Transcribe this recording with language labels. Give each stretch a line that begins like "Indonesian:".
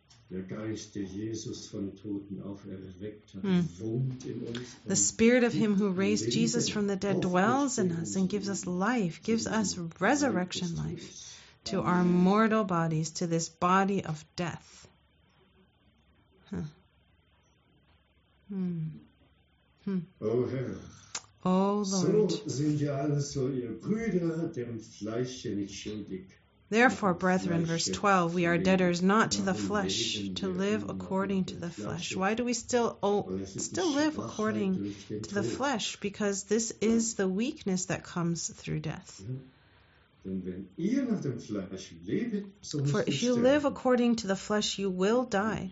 German: Der Geist, der Jesus von Toten auferweckt hat, wohnt in uns.
English: The spirit of him who raised Jesus from the dead dwells in us and gives us life, gives us resurrection life to our mortal bodies, to this body of death.
German: Oh Herr.
English: Oh Lord.
German: So sind wir alle so, ihr Brüder, dem Fleische nicht schuldig.
English: Therefore, brethren, verse 12, we are debtors not to the flesh, to live according to the flesh. Why do we still live according to the flesh? Because this is the weakness that comes through death. For if you live according to the flesh, you will die.